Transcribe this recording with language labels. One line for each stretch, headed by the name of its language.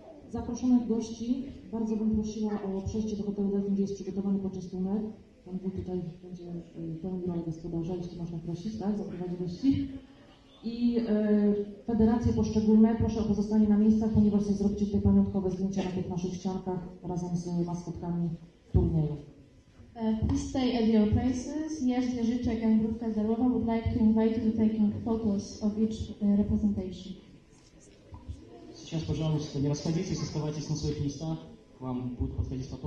Polish: Zaproszonych gości bardzo bym prosiła o przejście do hotelu, gdzie jest przygotowany podczas tunel. Pan był tutaj, będzie pełnił rolę gospodarza, jeśli można prosić, tak? Zaprowadzi gości. I federacje poszczególne, proszę o pozostanie na miejscach, ponieważ zrobicie tutaj pamiątkowe zdjęcia na tych naszych ściankach razem z maskotkami turnieju.
English: Please stay at your places. Yes, the Życzek and Grupka Zerowa would like to invite you to take photos of each representation.
Russian: Сейчас, пожалуйста, не расходитесь, оставайтесь на своих местах. К вам будут подходить фотографы, которые будут приглашать вас для фотографирования.